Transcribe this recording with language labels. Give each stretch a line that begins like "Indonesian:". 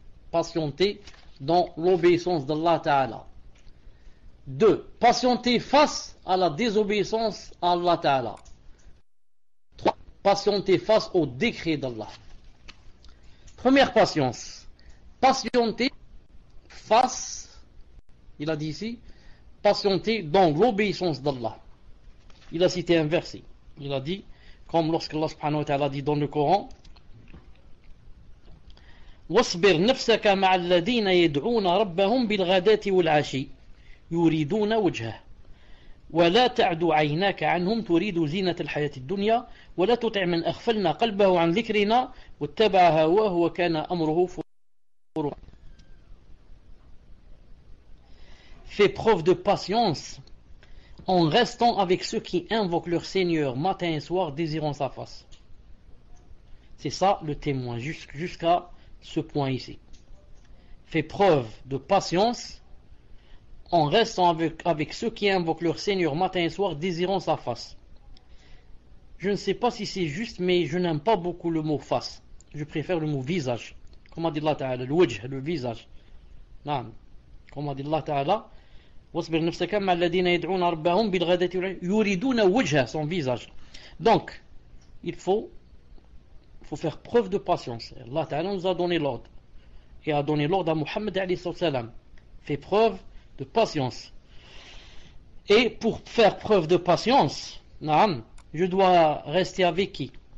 French: Patienter dans l'obéissance d'Allah ta'ala. Deux, patienter face à la désobéissance à Allah ta'ala. Trois, patienter face au décret d'Allah. Première patience. Patienter face, il a dit ici, patienter dans l'obéissance d'Allah. Il a cité un verset. Il a dit, comme lorsqu'Allah subhanahu wa ta'ala dit dans le Coran,
Arabic: وَاصْبِرْ نَفْسَكَ مَعَ الَّذِينَ يَدْعُونَ رَبَّهُمْ بِالْغَدَاةِ وَالْعَشِيِّ يُرِيدُونَ وَجْهَهُ وَلَا تَعْدُ عَيْنَاكَ عَنْهُمْ تُرِيدُ زِينَةَ الْحَيَاةِ الدُّنْيَا وَلَا تُطِعْ مَنْ أَغْفَلْنَا قَلْبَهُ عَنْ ذِكْرِنَا وَاتَّبَعَ هَوَاهُ وَكَانَ أَمْرُهُ فُرُطًا.
French: Fais preuve de patience en restant avec ceux qui invoquent leur Seigneur matin et soir, désirant sa face. C'est ça le témoin, jusqu'à ce point ici. Fais preuve de patience en restant avec ceux qui invoquent leur Seigneur matin et soir, désirant sa face. Je ne sais pas si c'est juste, mais je n'aime pas beaucoup le mot face. Je préfère le mot visage. Comme a dit Allah Ta'ala, le wajh, le visage. Non. Comme a dit Allah Ta'ala,
Arabic: وَاصْبِرْ نَفْسَكَ مَعَ الَّذِينَ يَدْعُونَ رَبَّهُمْ بِالْغَدَاةِ وَالْعَشِيِّ يُرِيدُونَ وَجْهَهُ,
French: son visage. Donc, il faut faire preuve de patience. Allah Ta'ala nous a donné l'ordre. Et a donné l'ordre à Muhammad A.S. Fais preuve de patience. Et pour faire preuve de patience, naam, je dois rester avec qui?